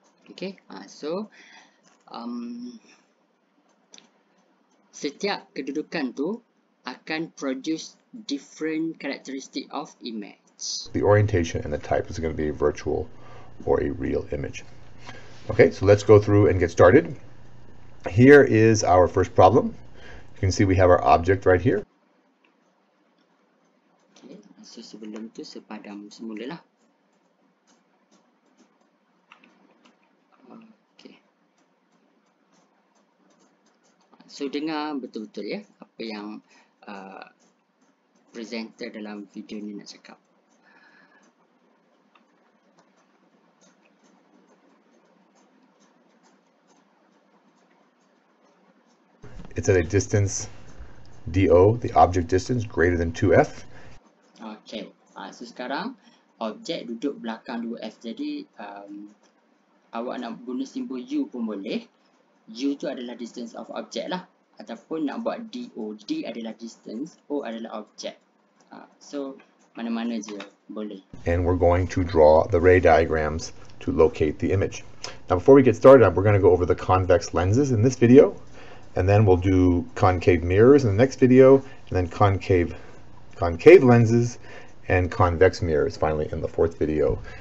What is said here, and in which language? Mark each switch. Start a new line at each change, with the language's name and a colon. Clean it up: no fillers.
English: Okay, so
Malay: setiap kedudukan tu akan
English: produce different characteristic of image. The orientation and the type is going to be a virtual or a real image. Okay, so let's go through and get started. Here is our first problem. You can see we have our object right here.
Malay: Okay, so sebelum tu sepadam semula lah. Okay. So dengar betul-betul ya apa yang presenter dalam video ni nak cakap.
English: It's at a distance DO, the object distance, greater than 2F.
Malay: Okay, so sekarang objek duduk belakang 2F. Jadi, awak nak guna simbol U pun boleh. U tu adalah
English: distance of object
Malay: lah. Ataupun nak buat DO. D adalah distance, O adalah object. So, mana-mana je boleh.
English: And we're going to draw the ray diagrams to locate the image. Now, before we get started, we're going to go over the convex lenses in this video. And then we'll do concave mirrors in the next video, and then concave lenses and convex mirrors finally in the fourth video.